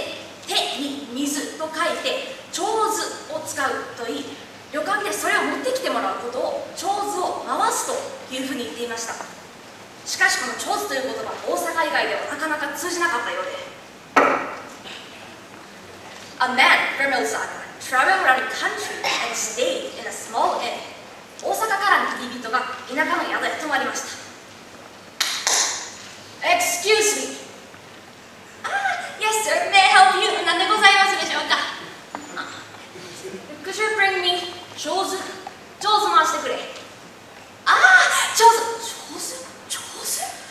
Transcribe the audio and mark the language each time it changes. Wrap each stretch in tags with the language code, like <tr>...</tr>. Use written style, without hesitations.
<ja>使うといい、旅館でそれを持ってきてもらうことを、手水を回すというふうに言っていました。しかしこの長寿という言葉、大阪以外ではなかなか通じなかったようで。</ja> <en>A man from Osaka traveled around the country and stayed in a small inn.</en> <ja>大阪からの旅人が田舎の宿へ泊まりました。</ja> <en>Excuse me. Ah, yes sir, may I help you?</en> <ja>何でございますでしょうか。</ja> <en>Could you bring me 長寿、</en> <ja>長寿回してくれ。</ja> <en>Ah, 長寿、長寿、長寿。</en>